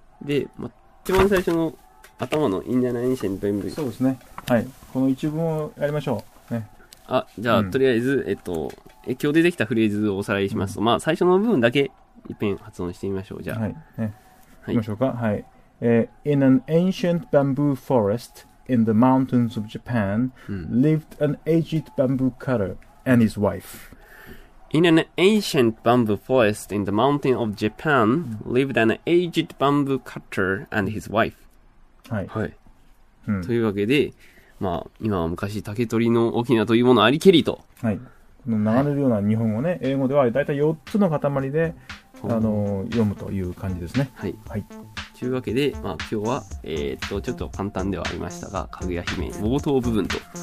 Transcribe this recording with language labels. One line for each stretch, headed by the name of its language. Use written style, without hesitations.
Japanese: で、ま、一番最初の頭のインナーエンシェントエンブリ。そうですね。はい。この一文をやりましょう。ね。あ、じゃあ、うん、とりあえず、今日出てきたフレーズをおさらいしますと、うん、まあ、最初の部分だけ、一遍発音してみましょう。じゃあ。はい。ね、はい。行きましょうか。はい。
English: In an ancient bamboo forest in the mountains of Japan、うん、lived an aged bamboo cutter and his wife. In an ancient bamboo forest in the mountain of Japan lived an aged bamboo cutter and his wife.
Japanese: はい。はい。うん、というわけで、まあ、今は昔竹取りの沖縄というものありけりと。はい。この流れるような日本語ね、はい、英語ではだいたい4つの塊で、読むという感じですね。はい。はい。というわけで、まあ、今日は、ちょっと簡単ではありましたが、かぐや姫冒頭部分と。